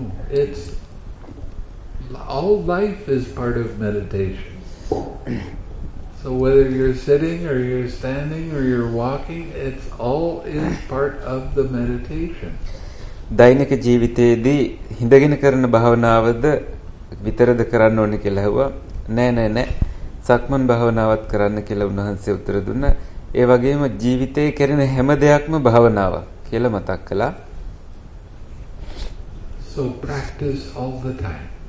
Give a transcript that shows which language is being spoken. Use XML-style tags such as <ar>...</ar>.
<en>It's all life is part of meditation. So whether you're sitting or you're standing or you're walking, it's all is part of the meditation.</en> <si>දෛනික ජීවිතයේදී හිඳගෙන කරන භාවනාවද විතරද කරන්න ඕනේ කියලා හෙව්වා. නෑ. සක්මන් භාවනාවත් කරන්න කියලා උන්වහන්සේ උත්තර දුන්නා. ඒ වගේම ජීවිතයේ කරන හැම දෙයක්ම භාවනාවක් කියලා මතක් කළා.</si> <en>So practice all the time.</en>